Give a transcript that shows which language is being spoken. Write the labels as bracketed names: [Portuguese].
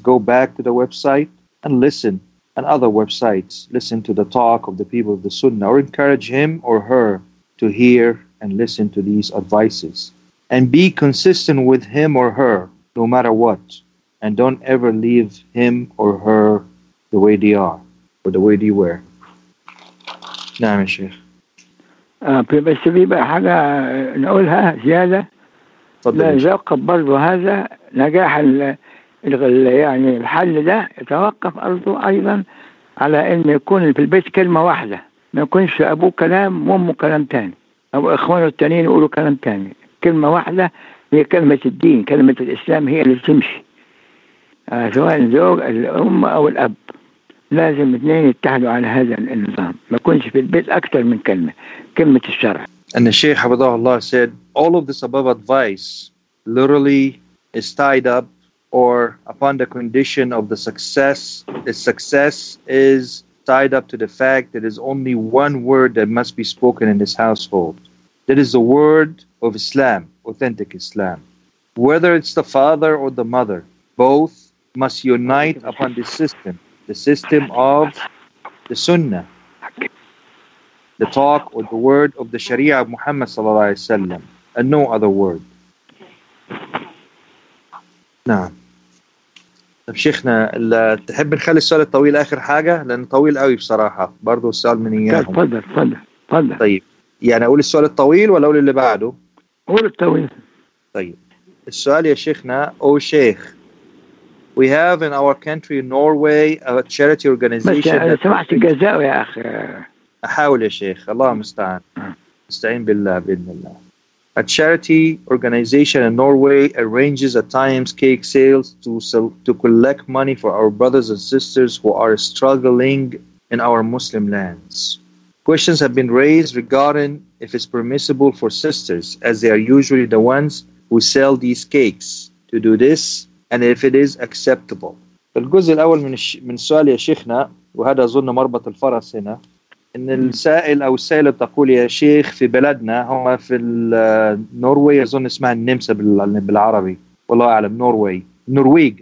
[English] Go back to the website and listen, and other websites, listen to the talk of the people of the Sunnah, or encourage him or her to hear and listen to these advices. And be consistent with him or her, no matter what. And don't ever leave him or her the way they are, or the way they were. [Arabic] Naam, Sheikh. بس في حاجة نقولها زيادة نتوقف برضو هذا نجاح يعني الحل ده يتوقف أرضه أيضا على أن يكون في البيت كلمة واحدة, ما يكونش أبوه كلام وأمه كلام تاني أو إخوانه التانيين يقولوا كلام تاني. كلمة واحدة هي كلمة الدين, كلمة الإسلام هي اللي تمشي, سواء زوج الأم أو الأب لازم اثنين يتحدوا على هذا النظام, ما يكونش في البيت أكثر من كلمة, كلمة الشرع. [English] And the Shaykh [Arabic] حفظه الله [English] said, all of this above advice literally is tied up or upon the condition of the success. The success is tied up to the fact that there's only one word that must be spoken in this household. That is the word of Islam, authentic Islam. Whether it's the father or the mother, both must unite upon this system. The system of the Sunnah, the talk or the word of the Sharia of Muhammad sallallahu alaihi wasallam, and no other word. [Arabic] طيب شيخنا تحب نخلي السؤال الطويل آخر حاجة لأن طويل قوي بصراحة برضو السؤال من إياهم. تفضل. طيب يعني أقول السؤال الطويل ولا أقول اللي بعده؟ أقول الطويل. طيب السؤال يا شيخنا، أو شيخ، [English] we have in our country Norway a charity organization. [Arabic] بس سمعت الجزاء يا أخي. أحاول يا شيخ، الله مستعان، استعين بالله بإذن الله. [English] A charity organization in Norway arranges at times cake sales to collect money for our brothers and sisters who are struggling in our Muslim lands. Questions have been raised regarding if it's permissible for sisters, as they are usually the ones who sell these cakes, to do this, and if it is acceptable. [Arabic] الجزء الأول من السؤال يا شيخنا، وهذا أظن مربط الفرس هنا، إن السائل أو السائلة تقول يا شيخ في بلدنا، هم في النرويج، أظن اسمها النمسا بالعربي، والله أعلم، النرويج